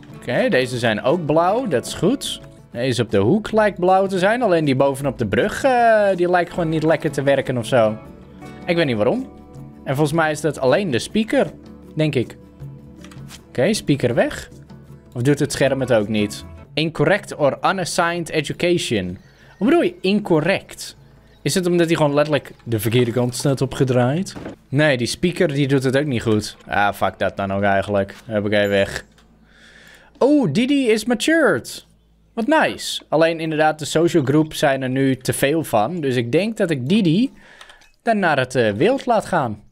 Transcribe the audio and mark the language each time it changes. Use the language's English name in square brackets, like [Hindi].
[Dutch] Oké, deze zijn ook blauw. Dat is goed. Deze op de hoek lijkt blauw te zijn. Alleen die bovenop de brug, die lijkt gewoon niet lekker te werken of zo. Ik weet niet waarom. En volgens mij is dat alleen de speaker, denk ik. Oké, speaker weg. Of doet het scherm het ook niet? [English] Incorrect or unassigned education. [Dutch] Wat bedoel je incorrect? Is het omdat hij gewoon letterlijk de verkeerde kant staat opgedraaid? Nee, die speaker die doet het ook niet goed. Ah, fuck dat dan ook eigenlijk. Heb ik hij weg. [English] Oh, Didi is matured. [Dutch] Wat nice. Alleen inderdaad, de social group zijn er nu te veel van. Dus ik denk dat ik Didi dan naar het wild laat gaan.